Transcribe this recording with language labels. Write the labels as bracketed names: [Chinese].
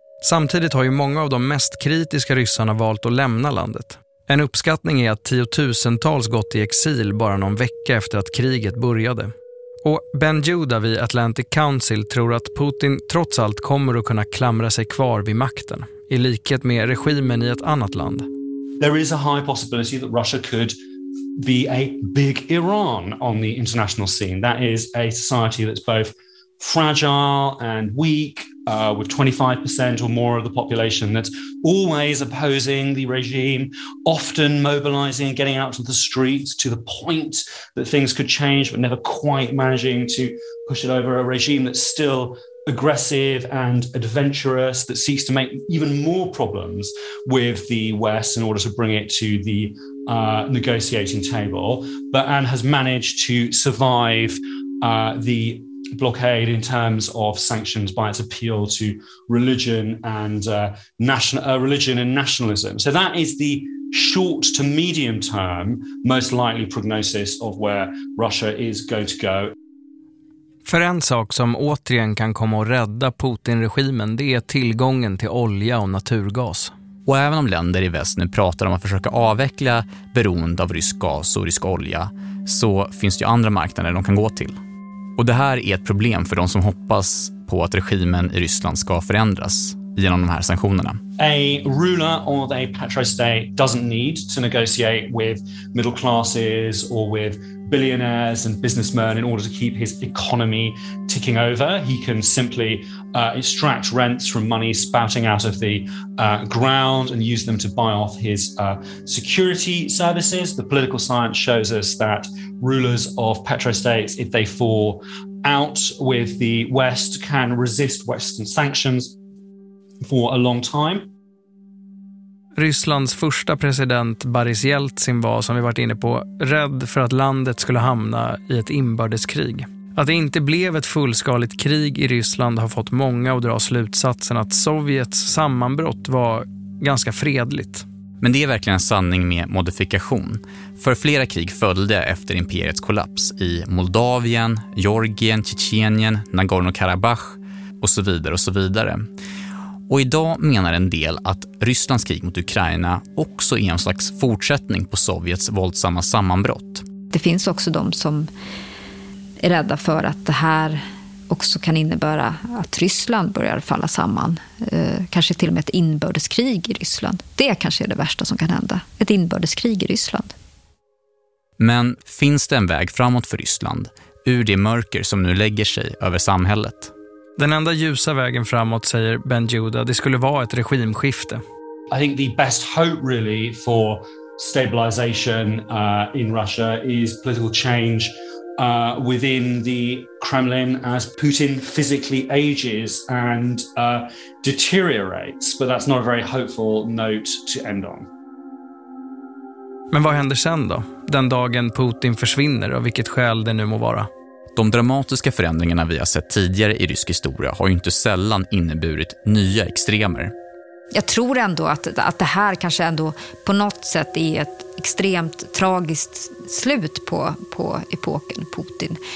[Swedish] Samtidigt har ju många av de mest kritiska ryssarna valt att lämna landet. En uppskattning är att tiotusentals gått i exil bara någon vecka efter att kriget började. Och Ben Judah vid Atlantic Council tror att Putin trots allt kommer att kunna klamra sig kvar vid makten, i likhet med regimen i ett annat land. [English] There is a high possibility that Russia could be a big Iran on the international scene. That is a society that's both fragile and weak, with 25% or more of the population that's always opposing the regime, often mobilizing and getting out to the streets to the point that things could change, but never quite managing to push it over. A regime that's still aggressive and adventurous, that seeks to make even more problems with the West in order to bring it to the negotiating table, but and has managed to survive the blockade in terms of sanctions by its appeal to religion and nationalism. So that is the short to medium term most likely prognosis of where Russia is going to go. [Swedish] För en sak som återigen kan komma att rädda Putin-regimen, det är tillgången till olja och naturgas. Och även om länder i väst nu pratar om att försöka avveckla beroende av rysk gas och rysk olja, så finns det ju andra marknader de kan gå till. Och det här är ett problem för de som hoppas på att regimen i Ryssland ska förändras genom de här sanktionerna. [English] A ruler of a patristate doesn't need to negotiate with middle classes or with billionaires and businessmen in order to keep his economy ticking over. He can simply extract rents from money spouting out of the ground and use them to buy off his security services. The political science shows us that rulers of petrostates, if they fall out with the West, can resist Western sanctions for a long time. [Swedish] Rysslands första president Boris Jeltsin var, som vi varit inne på, rädd för att landet skulle hamna i ett inbördeskrig. Att det inte blev ett fullskaligt krig i Ryssland har fått många att dra slutsatsen att Sovjets sammanbrott var ganska fredligt. Men det är verkligen en sanning med modifikation. För flera krig följde efter imperiets kollaps i Moldavien, Georgien, Tjetjenien, Nagorno-Karabach och så vidare och så vidare. Och idag menar en del att Rysslands krig mot Ukraina också är en slags fortsättning på Sovjets våldsamma sammanbrott. Det finns också de som är rädda för att det här också kan innebära att Ryssland börjar falla samman. Kanske till och med ett inbördeskrig i Ryssland. Det kanske är det värsta som kan hända. Ett inbördeskrig i Ryssland. Men finns det en väg framåt för Ryssland ur det mörker som nu lägger sig över samhället? Den enda ljusa vägen framåt, säger Ben Judah, det skulle vara ett regimskifte. [English] I think the best hope really for stabilization in Russia is political change within the Kremlin as Putin physically ages and deteriorates, but that's not a very hopeful note to end on. [Swedish] Men vad händer sen då? Den dagen Putin försvinner, av vilket skäl det nu må vara. De dramatiska förändringarna vi har sett tidigare i rysk historia har ju inte sällan inneburit nya extremer. Jag tror ändå att det här kanske ändå på något sätt är ett extremt tragiskt slut på epoken Putin.